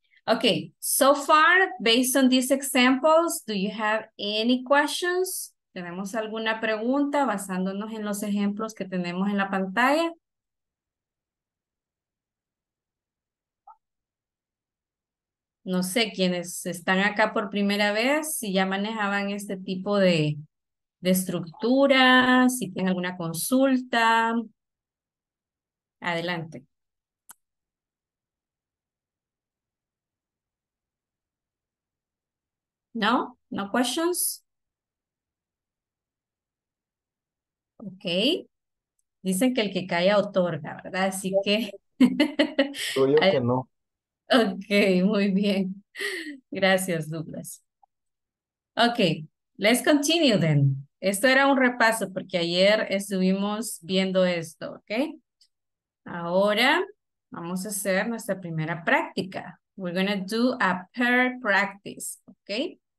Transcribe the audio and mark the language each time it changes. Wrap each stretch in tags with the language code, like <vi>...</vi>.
<en>Okay, so far, based on these examples, do you have any questions?</en> <es>¿Tenemos alguna pregunta basándonos en los ejemplos que tenemos en la pantalla? No sé quiénes están acá por primera vez, si ya manejaban este tipo de estructura, si tienen alguna consulta. Adelante.</es> <en>No, no questions.</en> <es>Ok. Dicen que el que calla otorga, ¿verdad? Así que. Yo creo que no. Ok, muy bien. Gracias, Douglas.</es> <en>Ok, let's continue then.</en> <es>Esto era un repaso porque ayer estuvimos viendo esto, ¿ok? Ahora vamos a hacer nuestra primera práctica.</es> <en>We're going to do a pair practice, okay?</en>